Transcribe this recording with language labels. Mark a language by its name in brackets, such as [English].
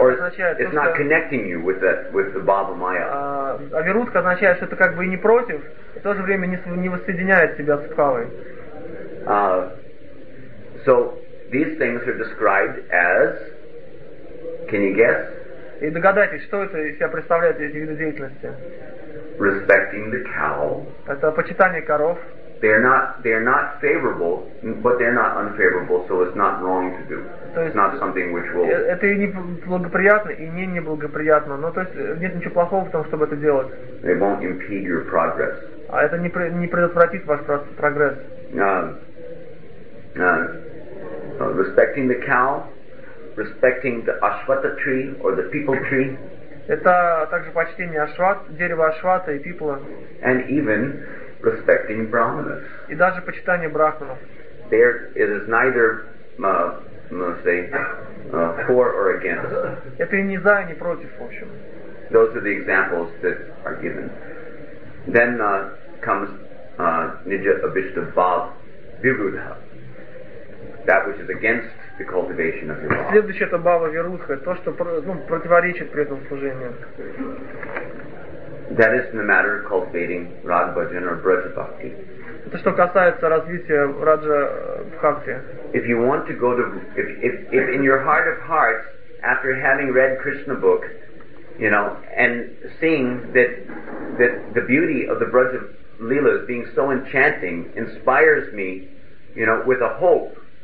[English] or it's not connecting you with that with the Baba Maya. [Russian] Avirudha означает, что это как бы не против, в то же время не воссоединяет тебя с Бхавой. [English] So these things are described as. Can you guess? [Russian] И догадайтесь, что это из себя представляет эти виды деятельности? [English] Respecting the cow. [Russian] Это почитание коров. [English] They're not favorable, but they're not unfavorable, so it's not wrong to do. [Russian] То есть, [English] it's not something which will. [Russian] Это и не благоприятно, и не неблагоприятно. Но то есть нет ничего плохого в том, чтобы это делать. [English] They won't impede your progress. [Russian] А это не предотвратит ваш прогресс. [English] Respecting the cow, respecting the ashvata tree or the people tree. [Russian] Это также почтение ашват, дерево ашвата и пипла. [English] And even respecting brahmanas. [Russian] И даже почитание брахманов. [English] There it is neither, for or against. [Russian] Это и не за, и не против, в общем. [English] Those are the examples that are given. Then comes nija abhishta bhav virudha. That which is against the cultivation of your bhava. [Russian] Следующее это бхава вирудха, то что противоречит при этом служению. [English] That is in the matter of cultivating raga bhajan or braja bhakti. [Russian] Это что касается развития раджа бхакти. [English] If you want to go to, if in your heart of hearts, after having read Krishna book, you know, and seeing that the beauty of the braja lila is being so enchanting, inspires me, you know, with a hope.